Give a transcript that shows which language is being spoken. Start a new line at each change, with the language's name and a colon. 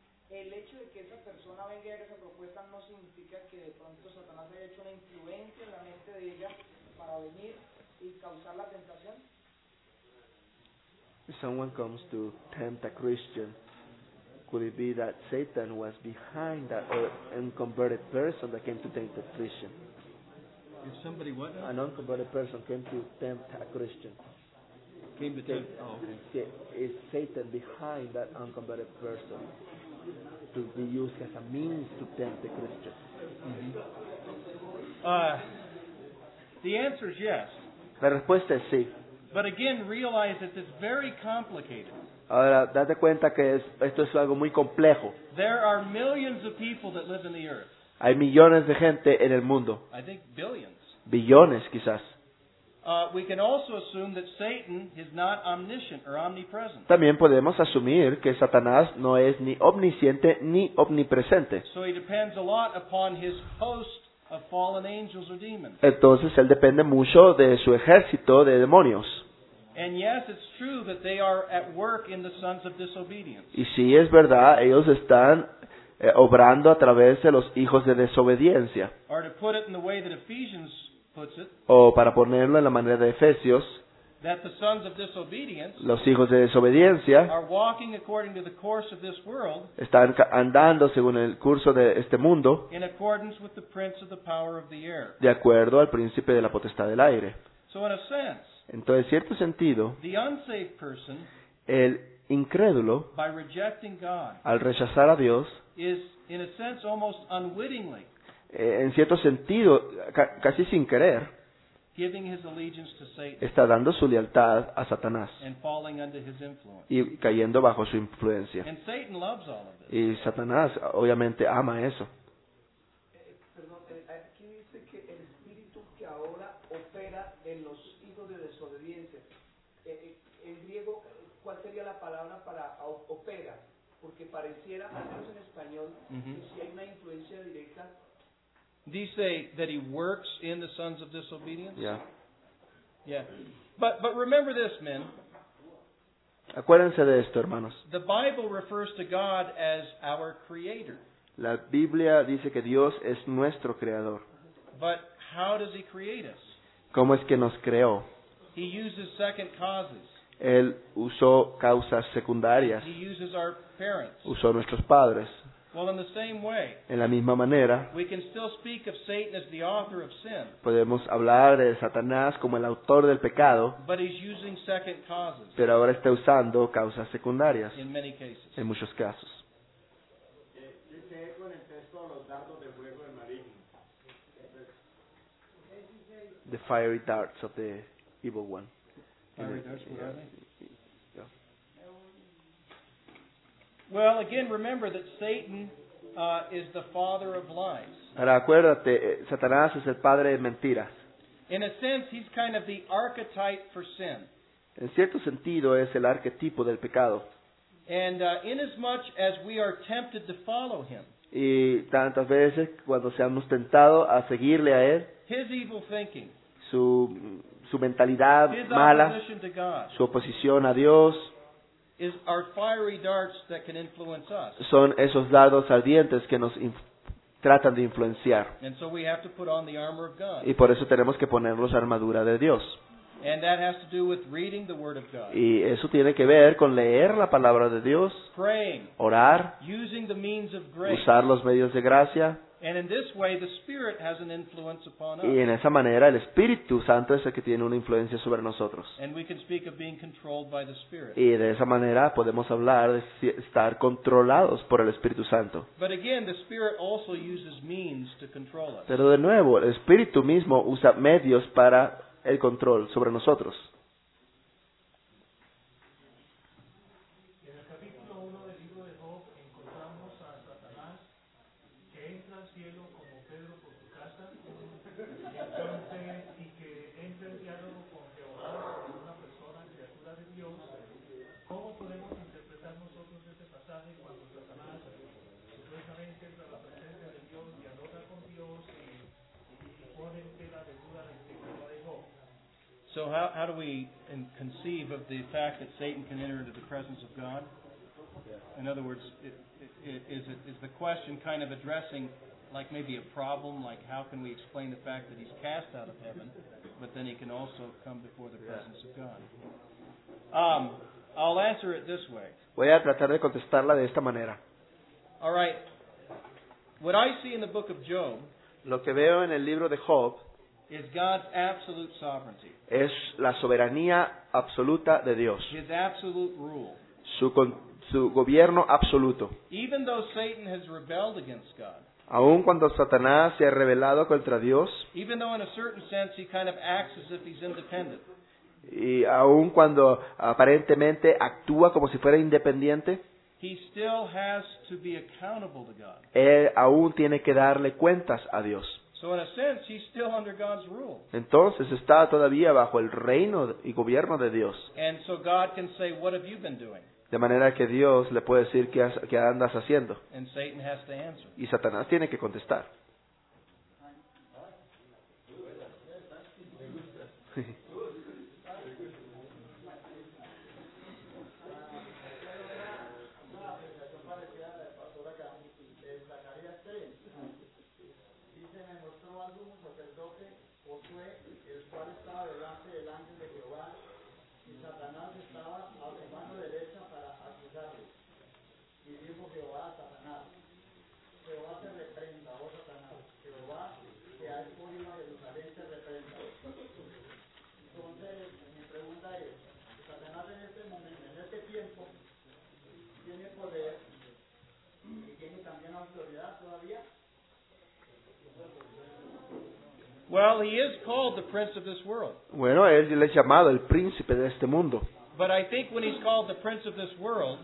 Spanish: El hecho de que esa persona venga y haga esa propuesta no significa que de pronto Satanás haya hecho una influencia en la mente de ella para venir y causar la tentación.
English: If someone comes to tempt a Christian, could it be that Satan was behind that unconverted person that came to tempt a Christian? If somebody what? An unconverted person came to tempt a Christian. Is Satan behind that unconverted person to be used as a means to tempt the Christian? Mm-hmm. The answer is yes.
Spanish: La respuesta es sí.
English: But again, realize that it's very complicated.
Spanish: Ahora, date cuenta que esto es algo muy complejo.
English: There are millions of people that live in the earth.
Spanish: Hay millones de gente en el mundo.
English: I think billions.
Spanish: Billones, quizás.
English: We can also assume that Satan is not omniscient or omnipresent.
Spanish: También podemos asumir que Satanás no es ni omnisciente ni omnipresente.
English: So he depends a lot upon his host of fallen angels or demons.
Spanish: Entonces él depende mucho de su ejército de demonios.
English: And yes, it's true that they are at work in the sons of disobedience.
Spanish: Y sí, es verdad, ellos están obrando a través de los hijos de desobediencia.
English: Or to put it in the way that Ephesians puts it,
Spanish: o para ponerlo en la manera de Efesios,
English: that the sons of disobedience,
Spanish: los hijos de desobediencia,
English: are walking according to the course of this world,
Spanish: están andando según el curso de este mundo,
English: in accordance with the prince of the power of the air,
Spanish: de acuerdo al príncipe de la potestad del aire.
English: So in a sense,
Spanish: entonces, en cierto sentido,
English: the unsaved person,
Spanish: el incrédulo,
English: by rejecting God,
Spanish: al rechazar a Dios,
English: is in a sense almost unwittingly,
Spanish: en cierto sentido, casi sin querer,
English: giving his allegiance to Satan,
Spanish: está dando su lealtad a Satanás
English: and falling under his influence,
Spanish: y cayendo bajo su influencia.
English: And Satan loves all of this.
Spanish: Y Satanás obviamente ama eso. Aquí dice que el espíritu que ahora opera en los hijos de desobediencia, en griego, ¿cuál sería la palabra para opera? Porque pareciera, al menos en español, si hay una influencia directa.
English: Do you say that he works in the sons of disobedience? Yeah. Yeah. But remember this, men.
Spanish: Acuérdense de esto, hermanos.
English: The Bible refers to God as our creator.
Spanish: La Biblia dice que Dios es nuestro creador.
English: But how does he create us?
Spanish: ¿Cómo es que nos creó?
English: He uses second causes.
Spanish: Él usó causas secundarias.
English: He uses our parents.
Spanish: Usó nuestros padres.
English: Well, in the same way,
Spanish: en la misma manera,
English: we can still speak of Satan as the author of sin.
Spanish: Podemos hablar de Satanás como el autor del pecado.
English: But he's using second causes.
Spanish: Pero ahora está usando causas secundarias.
English: In many cases.
Spanish: En muchos casos. Yo quedé con el texto de los dardos de fuego del maligno.
English: The fiery darts of the evil one. Fiery darts, what are they? Well, again, remember that Satan is the father of lies.
Spanish: Ahora acuérdate, Satanás es el padre de mentiras.
English: In a sense, he's kind of the archetype for sin.
Spanish: En cierto sentido, es el arquetipo del pecado.
English: And inasmuch as we are tempted to follow him,
Spanish: y tantas veces cuando seamos tentados a seguirle a él,
English: his evil thinking,
Spanish: su mentalidad
English: his
Spanish: mala,
English: opposition to God,
Spanish: su oposición a Dios,
English: is our fiery darts that can influence us.
Spanish: Son esos dardos ardientes que nos tratan de influenciar.
English: And so we have to put on the armor of God.
Spanish: Y por eso tenemos que ponernos armadura de Dios.
English: And that has to do with reading the word of God.
Spanish: Y eso tiene que ver con leer la palabra de Dios.
English: Praying.
Spanish: Orar.
English: Using the means of grace.
Spanish: Usar los medios de gracia.
English: And in this way the Spirit has an influence upon us.
Spanish: Y en esa manera el Espíritu Santo es el que tiene una influencia sobre nosotros.
English: And we can speak of being controlled by the Spirit.
Spanish: Y de esa manera podemos hablar de estar controlados por el Espíritu Santo.
English: But again, the Spirit also uses means to control us.
Spanish: Pero de nuevo, el Espíritu mismo usa medios para el control sobre nosotros.
English: So how do we conceive of the fact that Satan can enter into the presence of God? Yeah. In other words, is the question kind of addressing like maybe a problem, like how can we explain the fact that he's cast out of heaven, but then he can also come before the presence of God? I'll answer it this way.
Spanish: Voy a tratar de contestarla de esta manera.
English: All right. What I see in the book of Job,
Spanish: lo que veo en el libro de Job,
English: is God's absolute sovereignty.
Spanish: Es la soberanía absoluta de Dios.
English: His absolute rule.
Spanish: Su gobierno absoluto.
English: Even though Satan has rebelled against God.
Spanish: Aun cuando Satanás se ha rebelado contra Dios.
English: Even though in a certain sense he kind of acts as if he's independent.
Spanish: Y aun cuando aparentemente actúa como si fuera independiente.
English: He still has to be accountable to God.
Spanish: Él aún tiene que darle cuentas a Dios.
English: So in a sense, he's still under God's rule.
Spanish: Entonces está todavía bajo el reino y gobierno de Dios.
English: And so God can say, "What have you been doing?"
Spanish: De manera que Dios le puede decir qué andas haciendo.
English: And Satan has to answer.
Spanish: Y Satanás tiene que contestar. Algunos sacerdotes, Josué, el cual estaba delante del ángel de Jehová,
English: Well, he is called the prince of this world.
Spanish: Bueno, él es llamado el príncipe de este mundo.
English: But I think when he's called the prince of this world,